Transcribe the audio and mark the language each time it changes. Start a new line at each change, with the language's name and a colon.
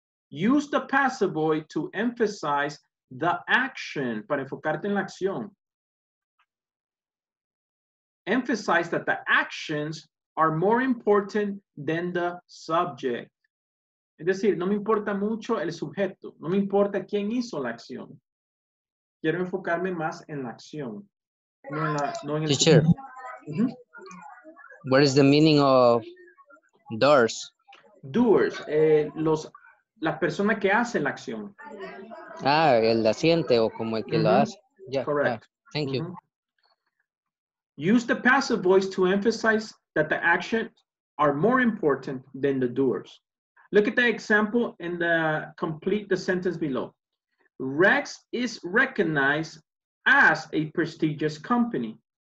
English: Use the passive voice to emphasize the action.
Spanish: Para enfocarte en la acción.
English: Emphasize that the actions are more important than the subject.
Spanish: Es decir, no me importa mucho el sujeto. No me importa quién hizo la acción. Quiero enfocarme más en la acción. No en el
English: teacher, mm-hmm. What is the meaning of... Doers,
Spanish: las personas que hacen la acción. Ah, el asiente o como el que mm-hmm. lo hace.
English: Yeah, correct. Yeah. Thank mm-hmm. you. Use the passive voice to emphasize that the actions are more important than the doers. Look at the example and complete the sentence below. Rex is recognized as a prestigious company.